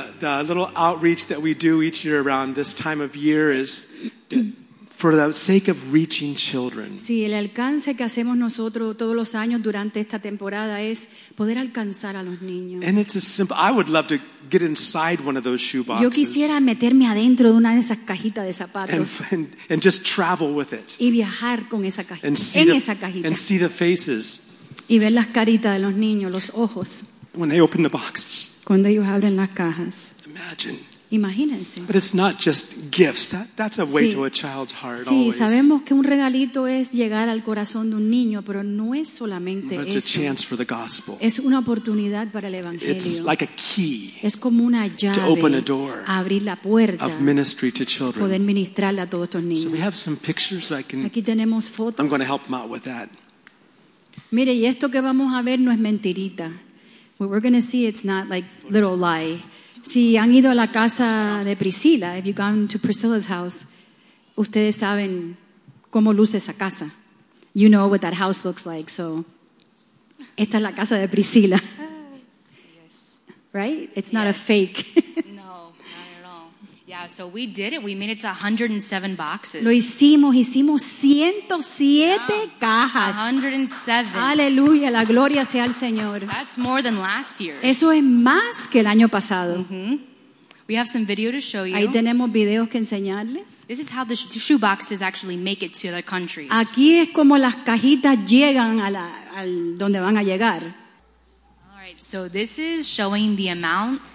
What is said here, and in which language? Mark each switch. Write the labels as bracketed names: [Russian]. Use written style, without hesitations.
[English] The little outreach that we do each year around this time of year is for the sake of reaching children. [Spanish] Sí, el alcance que hacemos nosotros todos los años durante esta temporada es poder alcanzar a los niños. [English] And it's a simple, I would love to get inside one of those shoeboxes. [Spanish] Yo quisiera meterme adentro de una de esas cajitas de zapatos. [English] And just travel with it. [Spanish] Y viajar con esa cajita. En esa cajita. [English] And see the faces. [Spanish] Y ver las caritas de los niños, los ojos. [English] When they open the boxes. [Spanish] Cuando ellos abren las cajas. [English] Imagine. [Spanish] Imagínense. [English] But it's not just gifts. That's a way to a child's heart. [Spanish] Sí, sabemos que un regalito es llegar al corazón de un niño, pero no es solamente eso. [English] It's a chance for the gospel. [Spanish] Es una oportunidad para el evangelio. [English] It's like a key. [Spanish] Es como una llave. [English] To open a door. [Spanish] Abrir la puerta. [English] Of ministry to children. [Spanish] Poder ministrarle a todos estos niños. [English] So we have some pictures that I can. [Spanish] Aquí tenemos fotos. [English] I'm going to help them out with that. [Spanish] Mire, y esto que vamos a ver no es mentirita. [English] What we're going to see, it's not like little lie. [Spanish] Si han ido a la casa de Priscila, [English] if you've gone to Priscilla's house, [Spanish] ustedes saben cómo luce esa casa. [English] You know what that house looks like. So, [Spanish] esta es la casa de Priscila. [English] Yes. Right? It's not a fake. No, not at all. Yeah, so we did it. We made it to 107 boxes. [Spanish] Lo hicimos. Hicimos 107 cajas. 107. Aleluya. La gloria sea al Señor. [English] That's more than last year. [Spanish] Eso es más que el año pasado. [English] Mm-hmm. We have some video to show you. [Spanish] Ahí tenemos videos que enseñarles. [English] This is how the shoe boxes actually make it to other countries. [Spanish] Aquí es como las cajitas llegan a la, al donde van a llegar. [English] All right, so this is showing the amount.